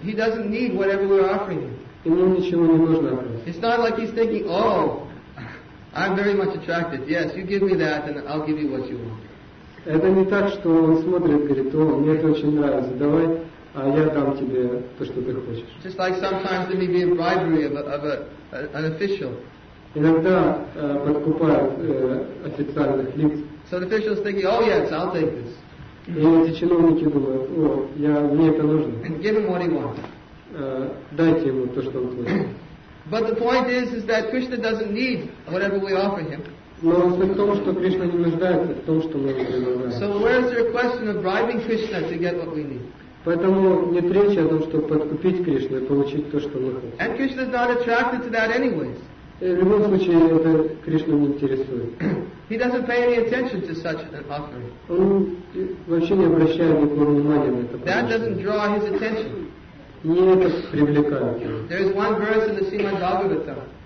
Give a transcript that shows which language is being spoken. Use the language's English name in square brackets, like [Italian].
[English] He doesn't need whatever we're offering him. [Russian] Ему ничего не нужно. [English] It's not like he's thinking, "Oh, I'm very much attracted. Yes, you give me that, and I'll give you what you want." [Russian] Это не так, что он смотрит, говорит, "О, мне это очень нравится. Давай, а я дам тебе то, что ты хочешь." [English] Just like sometimes there may be a bribery of an official. [Russian] Иногда подкупают официальных лиц. [English] So the officials thinking, "Oh yes, I'll take this." [Russian] И эти чиновники думают, "О, мне это нужно." [English] Give him what he wants. [Russian] Дайте ему то, что он хочет. [English] But the point is that Krishna doesn't need whatever we offer him. [Russian] Но суть в том, что Кришна не нуждается в том, что мы ему предлагаем. [English] So where is there a question of bribing Krishna to get what we need? [Russian] Поэтому не речь о том, чтобы подкупить Кришну и получить то, что мы хотим. [English] And Krishna is not attracted to that anyways. [Russian] В любом случае, это Кришну не интересует. [English] He doesn't pay any attention to such an offering. [Russian] Он вообще не обращает никакого внимания на это. [English] That doesn't draw his attention. [Russian] Не это привлекает его. [English] There is one verse in the Srimad Bhagavatam.